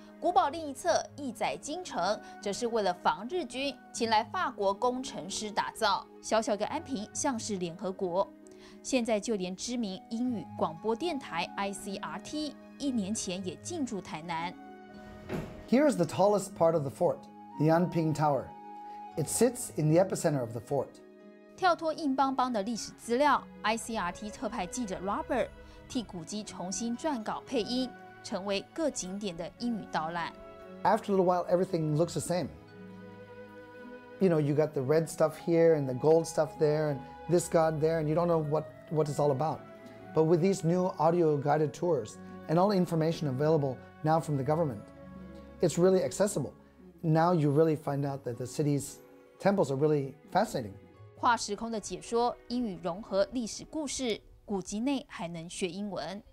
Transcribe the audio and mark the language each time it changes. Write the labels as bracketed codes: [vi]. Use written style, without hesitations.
[zh] 古堡另一侧意载京城，则是为了防日军，请来法国工程师打造。小小的安平像是联合国。现在就连知名英语广播电台 ICRT 一年前也进驻台南。 [en] Here is the tallest part of the fort, the Anping Tower. It sits in the epicenter of the fort. [zh] 跳脱硬邦邦的历史资料 ，ICRT 特派记者 Robert 替古迹重新撰稿配音，成为各景点的英语导览。 [en] After a little while, everything looks the same. You know, you got the red stuff here and the gold stuff there and this god there, and you don't know what it's all about. But with these new audio guided tours and all the information available now from the government, it's really accessible. Now you really find out that the city's temples are really fascinating. [zh] 跨时空的解说，英语融合历史故事，古迹内还能学英文。